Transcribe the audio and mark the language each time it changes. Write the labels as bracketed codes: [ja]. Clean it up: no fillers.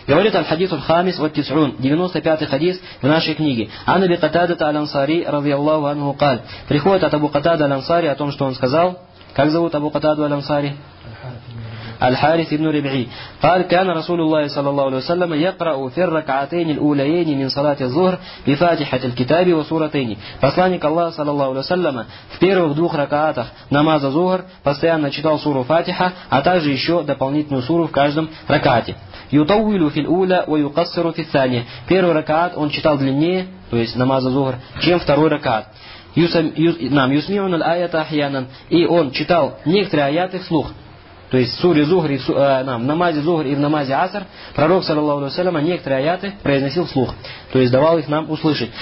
[ru] Говорит [ar] аль-хадис аль-хамис ва тисун, [ru] 95-й хадис в нашей книге. [ar] Ан Аби Катада аль-Ансари радиаллаху анху قال. [ru] Приходит от Абу Катада аль-Ансари о том, что он сказал. Как зовут Абу Катаду аль-Ансари? Аль-Харис ибн Риби. [ar] قال كان رسول الله صلى الله عليه وسلم يقرأ في الركعتين الأوليين من صلاة الظهر بفاتحة الكتاب وسورتين. [ru] Посланник Аллаха [ar] صلى الله عليه وسلم [ru] в первых двух ракаатах намаза Зухр постоянно читал суру Фатиха, а также еще дополнительную суру в каждом ракаате. [ar] يطول في الأولى ويقصر في الثانية. [ru] Первый ракаат он читал длиннее, то есть намаза Зухр, чем второй ракаат. [ar] يسمعون الآية أحيانا. [ru] И он читал некоторые аяты вслух. То есть в суре Зухр и в намазе Зухр и в намазе Аср пророк саллаллаху алейхи ва саллям некоторые аяты произносил вслух, то есть давал их нам услышать.